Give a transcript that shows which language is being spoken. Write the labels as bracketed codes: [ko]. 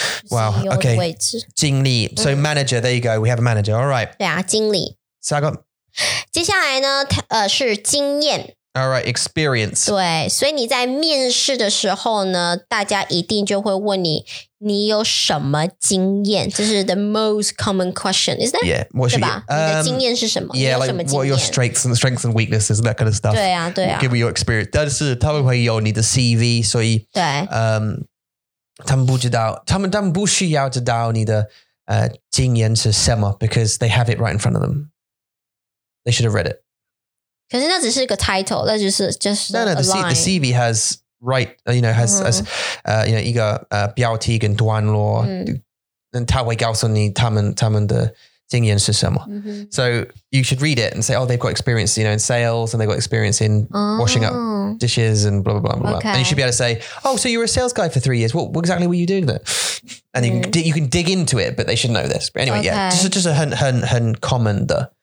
[en] Wow, okay. 经理 So manager, there you go. We have a manager. All right. [zh] 对啊，经理。下一个。接下来呢，是经验。 [en] All right, experience. [zh] 对，所以你在面试的时候呢，大家一定就会问你，你有什么经验？这是 [en] the most common question, isn't it? Yeah, what's [zh] your 经验是什么？ [en] Yeah, like what are your strengths and weaknesses, that kind of stuff. [zh] 对啊，对啊。 [en] Give me your experience. [zh] 但是他们会有你的 CV, 所以对，他们不知道他们不需要知道你的经验是什么 [en] because they have it right in front of them. They should have read it. [zh] 可是那只是一个 title, 那就是 [en] No, no, the CV has, right, you know, has,、mm-hmm. you know, [zh] 一个标题跟段落、mm-hmm. and 他会告诉你他们的经验是什么、 [en] mm-hmm. So you should read it and say, oh, they've got experience, you know, in sales and they've got experience in washing up dishes and blah, blah, blah, blah,、 okay. blah. And you should be able to say, oh, so you were a sales guy for 3 years. What exactly were you doing there? And、mm. you can dig into it, but they should know this. But anyway,、 okay. yeah, just a 很 common 的。